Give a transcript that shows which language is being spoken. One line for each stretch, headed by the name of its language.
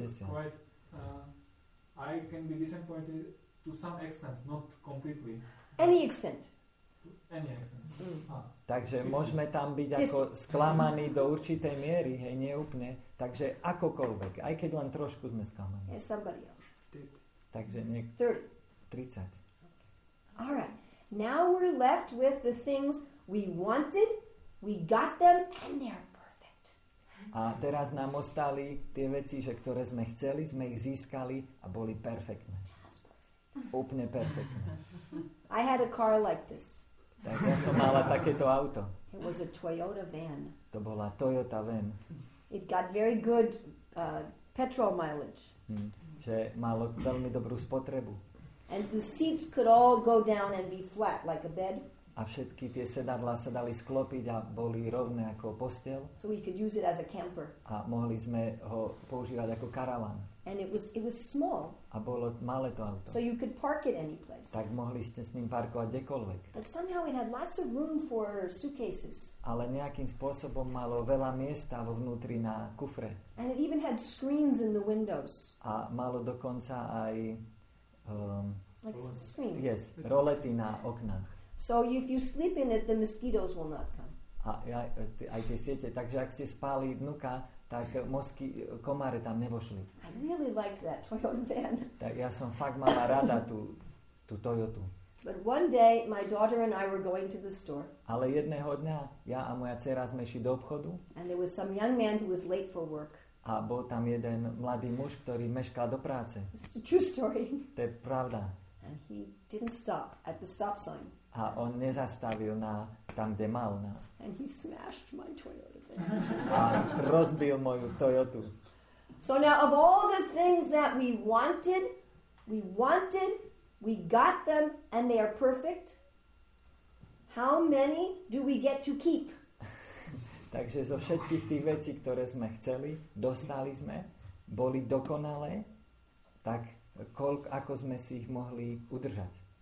English: Quite, I can be disappointed to some extent, not completely. Any extent. Any extent. Mm.
Slovak: Takže môžeme tam byť ako sklamaní do určitej miery, hej, nie úplne. Takže akokoľvek, aj keď len trošku sme sklamaní.
English: Yes, somebody else.
Slovak: Takže niekto. 30.
English: All right. Now we're left with the things we wanted, we got them, and they're perfect.
Slovak: A teraz nám ostali tie veci, že ktoré sme chceli, sme ich získali a boli perfektné. Úplne perfektné.
English: I had a car like this.
Slovak: Tak ja som mala takéto auto.
English: It was a Toyota van.
Slovak: To bola Toyota van.
English: It got very good petrol mileage.
Slovak: Že malo veľmi dobrú spotrebu.
English: And the seats could all go down and be flat like a bed.
Slovak: A všetky tie sedadlá sa dali sklopiť a boli rovné ako posteľ.
English: So we could use it as a camper.
Slovak: A mohli sme ho používať ako karavan.
English: And it was small.
Slovak: A bolo malé to auto.
English: So you could park it any place.
Slovak: Tak mohli ste s ním parkovať kdekoľvek.
English: But somehow it had lots of room for suitcases.
Slovak: Ale nejakým spôsobom malo veľa miesta vo vnútri na kufre.
English: And it even had screens in the windows.
Slovak: A malo dokonca aj
English: like screen.
Slovak: Yes, rolety na oknách.
English: So if you sleep in it, the mosquitoes will not come.
Slovak: Aj tie siete, takže ak ste spali vnuka, tak komáre tam nevošli.
English: I really liked that Toyota van.
Slovak: Tak ja som fakt mala rada tú Toyotu.
English: But one day my daughter and I were going to the store.
Slovak: Ale jedného dňa ja a moja dcera sme šli do obchodu.
English: And there was some young man who was late for work.
Slovak: A bol tam jeden mladý muž, ktorý meškal do práce.
English: It's a true story.
Slovak: To je pravda.
English: And he didn't stop at the stop sign.
Slovak: A on nezastavil na tam, kde mal. Na.
English: And he smashed my Toyota.
Slovak: A rozbil moju Toyotu.
English: So now of all the things that we wanted, we got them and they are perfect. How many do we get to keep?
Slovak: Takže zo všetkých tých vecí, ktoré sme chceli, dostali sme, boli dokonalé, tak koľko ako sme si ich mohli udržať?